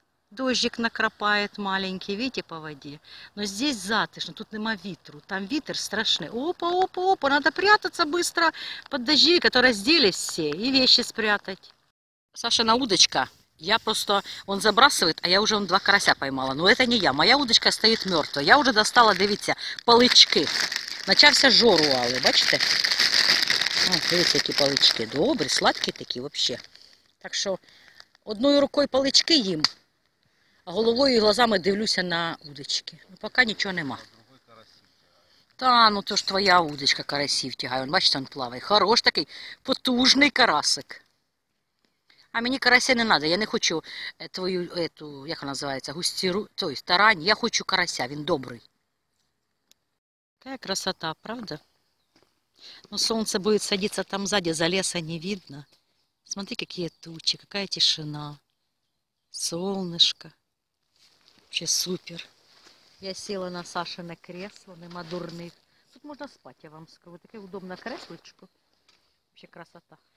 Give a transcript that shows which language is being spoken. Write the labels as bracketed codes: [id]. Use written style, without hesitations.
[ru] Дождик накрапает маленький, видите, по воде. Но здесь затишно, [uk] тут нема ветру. [ru] Там ветер страшный. Опа, надо прятаться быстро под дождевик, а то разделись все, и вещи спрятать. Сашина удочка, я просто, он забрасывает, а я уже два карася поймала. Но это не я, моя удочка стоит мертвая. [uk] Я уже достала, дивіться, палички. Начався жору, але, бачите? [ru] Видите, такие палички. Добрые, сладкие такие вообще. Так что одной рукой [uk] палички їм, [ru] а головой и глазами [uk] дивлюся на удочки. [ru] Ну, пока ничего нема. [uk] Та, ну то ж твоя удочка карасів тягає. Он, бачите, он плаває. Хорош такий, потужний карасик. А мені карася [ru] не надо. [uk] Я не хочу твою, эту, як вона називається, густіру, той, тарань. Я хочу карася, він добрий. [ru] Какая красота, правда? Но солнце будет садиться там сзади, за леса не видно. Смотри, какие тучи, какая тишина. Солнышко. Вообще супер. Я села на Сашино кресло, [uk] нема дурных. [ru] Тут можно спать, я вам скажу. Такое удобное креслочко. Вообще красота.